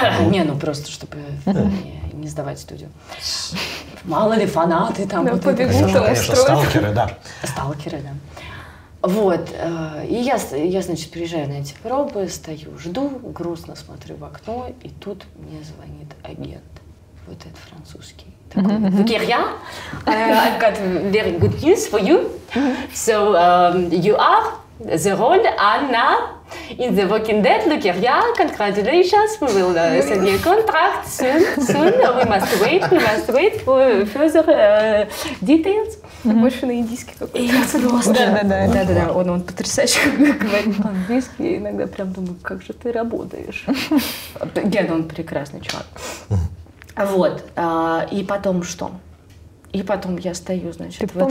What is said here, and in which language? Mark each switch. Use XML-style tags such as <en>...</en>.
<ru>Не, ну просто, чтобы не сдавать студию. Мало ли фанаты там. Да, побегут, конечно, сталкеры, да. Сталкеры, да. Вот. И я, значит, приезжаю на эти пробы, стою, жду, грустно смотрю в окно, и тут мне звонит агент. Вот этот французский. Такой,</ru> <en>Лукерия, I've got very good news for you. So, you are the role Anna in The Walking Dead. Лукерия, congratulations. We will send you a contract soon. We must wait for further details.</en> <ru>Больше на индийский какой-то. Я просто. Да. Он потрясающе говорит по-английски. Я иногда прям думаю, как же ты работаешь. Ген, он прекрасный чувак. Вот. И потом что? И потом я стою, значит, ты в этом</ru>